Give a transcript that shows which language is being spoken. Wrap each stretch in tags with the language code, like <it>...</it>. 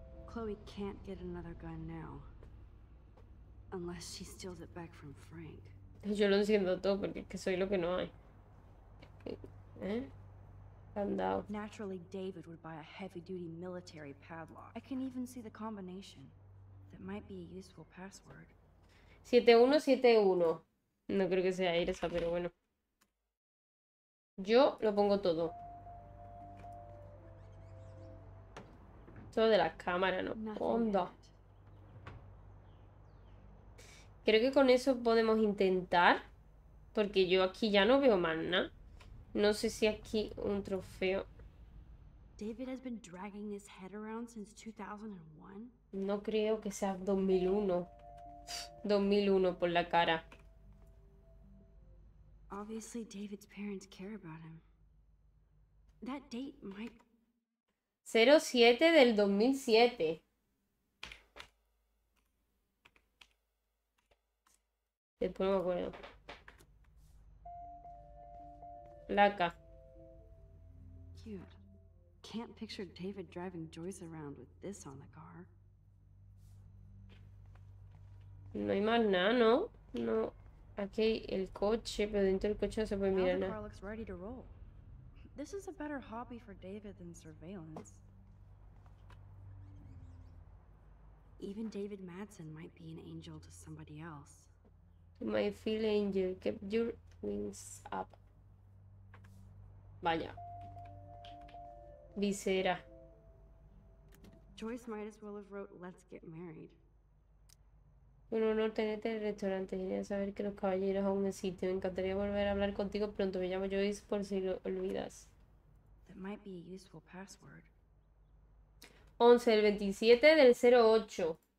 <en>Chloe can't get another gun now unless she steals it back from Frank.</en> <es>Yo lo enciendo todo porque es que soy lo que no hay.</es> <en>Naturally, David would buy a heavy-duty military padlock. I can even see the combination. That might be a useful password. 7171.</en> <es>No creo que sea esa, pero bueno. Yo lo pongo todo. Todo de la cámara, ¿no? Onda. Creo que con eso podemos intentar. Porque yo aquí ya no veo más nada. No sé si aquí un trofeo.</es> <en>David has been dragging his head around since 2001.</en> <es>No creo que sea 2001. 2001 por la cara.</es> <en>Obviously David's parents care about him. That date might</en> <es>07 del 2007. Después no me acuerdo. Laca.</es> <en>Cute. Can't picture David driving Joyce around with this on the car.</en> <es>No hay más nada, ¿no? No. Aquí el coche, pero dentro del coche no se puede mirar nada.</es> <en>Looks ready to roll. This is a better hobby for David than surveillance. Even David Madsen might be an angel to somebody else. My feel angel, keep your wings up.</en> <es>Vaya. Visera.</es> <en>Joyce might as well have wrote, let's get married.</en> <es>Un honor tenerte en el restaurante. Quería saber que los caballeros aún existen. Me encantaría volver a hablar contigo pronto. Me llamo Joyce por si lo olvidas.</es> <en>That might be a useful password.</en> <es>11 del 27 del 08.</es>